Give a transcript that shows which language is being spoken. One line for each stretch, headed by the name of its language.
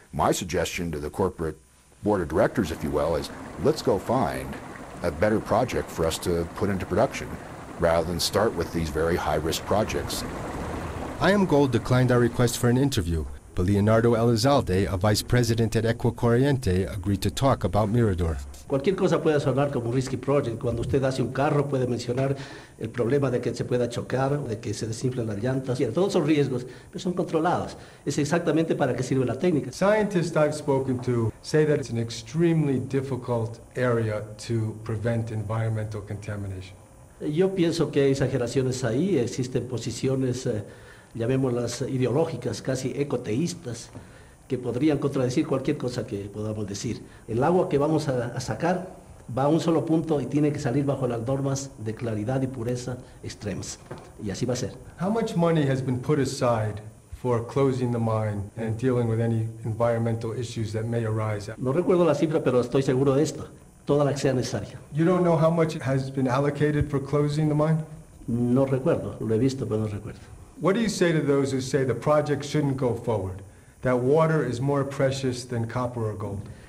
English: My suggestion to the corporate board of directors, if you will, is let's go find a better project for us to put into production rather than start with these very high-risk projects. IAM Gold declined our request for an interview, but Leonardo Elizalde, a vice president at Equacorriente, agreed to talk about Mirador.
Spanish: Cualquier cosa puede sonar como
English: risky project.
Spanish: Cuando usted hace un carro, puede mencionar el problema de que se pueda chocar, de que se desinflen las llantas. Todos son riesgos, pero son controlados. Es exactamente para qué sirve la técnica.
English: Scientists I've spoken to say that it's an extremely difficult area to prevent environmental contamination.
Spanish: Yo pienso que hay exageraciones ahí. Existen posiciones, llamémoslas ideológicas, casi ecoteístas, que podrían contradecir cualquier cosa que podamos decir. El agua que vamos a sacar va a un solo punto y tiene que salir bajo las normas de claridad y pureza extremas. Y así va a ser.
English: How much money has been put aside for closing the mine and dealing with any environmental issues that may arise?
Spanish: No recuerdo la cifra, pero estoy seguro de esto. Toda la que sea necesaria.
English: You don't know how much has been allocated for closing the mine?
Spanish: No recuerdo. Lo he visto, pero no recuerdo.
English: What do you say to those who say the project shouldn't go forward? That water is more precious than copper or gold.